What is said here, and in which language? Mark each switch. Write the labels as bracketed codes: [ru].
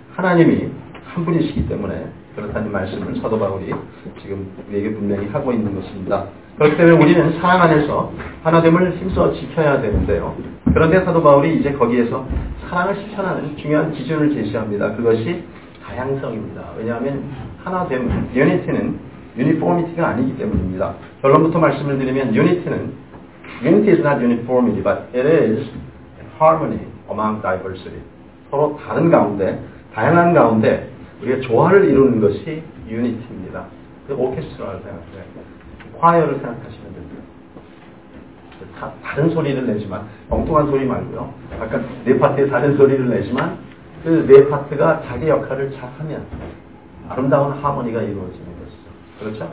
[ko] 하나님이 한 분이시기 때문에 그렇다는 말씀을 사도 바울이 지금 우리에게 분명히 하고 있는 것입니다. 그렇기 때문에 우리는 사랑 안에서 하나됨을 힘써 지켜야 되는데요. 그런데 사도 바울이 이제 거기에서 사랑을 실천하는 중요한 기준을 제시합니다. 그것이 다양성입니다. 왜냐하면 하나됨, 유니티는 유니포미티가 아니기 때문입니다. 결론부터 말씀을 드리면 유니티는 [en] unity is not uniformity, but it is harmony among diversity. [ko] 서로 다른 가운데, 다양한 가운데 우리가 조화를 이루는 것이 유니티입니다. 오케스트라를 생각하세요. 콰이어를 생각하시면 됩니다. 다른 소리를 내지만, 엉뚱한 소리 말고요. 아까 네 파트에 다른 소리를 내지만 그 네 파트가 자기 역할을 잘하면 아름다운 하모니가 이루어집니다. 그렇죠?